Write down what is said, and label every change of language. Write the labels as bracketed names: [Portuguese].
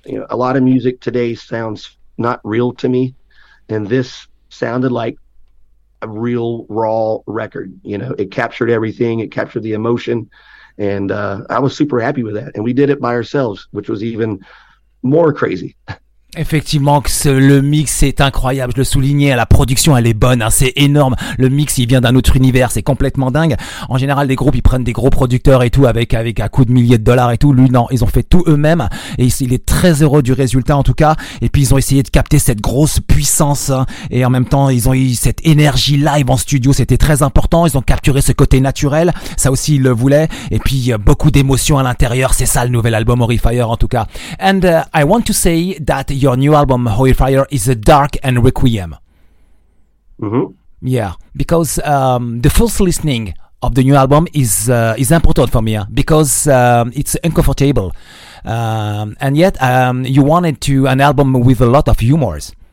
[English] You know, a lot of music today sounds not real to me, and this sounded like a real raw record. You know, it captured everything, it captured the emotion, and I was super happy with that. And we did it by ourselves, which was even more crazy. [French] Effectivement, le mix est incroyable. Je le soulignais, la production, elle est bonne, hein, c'est énorme. Le mix, il vient d'un autre univers, c'est complètement dingue. En général, les groupes, ils prennent des gros producteurs et tout, avec un coup de milliers de dollars et tout. Lui, non, ils ont fait tout eux-mêmes. Et il est très heureux du résultat, en tout cas. Et puis, ils ont essayé de capter cette grosse puissance, hein, et en même temps, ils ont eu cette énergie live en studio. C'était très important. Ils ont capturé ce côté naturel. Ça aussi, ils le voulaient. Et puis, beaucoup d'émotions à l'intérieur. C'est ça, le nouvel album Horrifier, en tout cas. [English] And I want to say that your new album, Horrifier, is a dark and requiem. Mm-hmm. Yeah, because the first listening of the new album is important for me, because it's uncomfortable. And yet, you wanted to an album with a lot of humors.